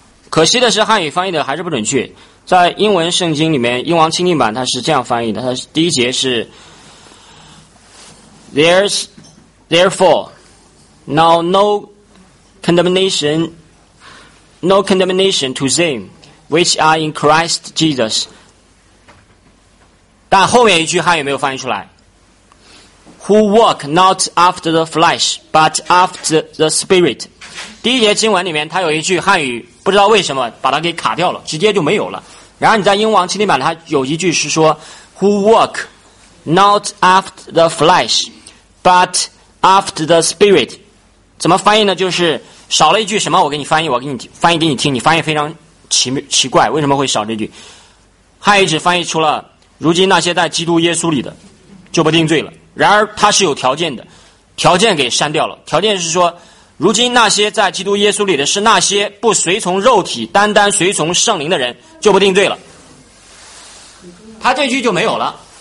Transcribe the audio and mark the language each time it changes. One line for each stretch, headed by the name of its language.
Chinese: 可惜的是汉语翻译的还是不准确，在英文圣经里面，英王钦定版它是这样翻译的，它第一节是
English: There's therefore now no condemnation to them which are in Christ Jesus。
Chinese: 但后面一句汉语没有翻译出来，
English: Who walk not after the flesh but after the spirit。
Chinese: 第一节经文里面它有一句汉语不知道为什么把它给卡掉了，直接就没有了。然后你在英王钦定版它有一句是说
English: Who walk not after the flesh but after the spirit。
Chinese: 怎么翻译呢？就是少了一句什么，我给你翻译给你听，你翻译非常 奇怪，为什么会少这句。汉语只翻译出了如今那些在基督耶稣里的就不定罪了，然而它是有条件的，条件给删掉了。条件是说如今那些在基督耶稣里的是那些不随从肉体单单随从圣灵的人就不定罪了，他这句就没有了。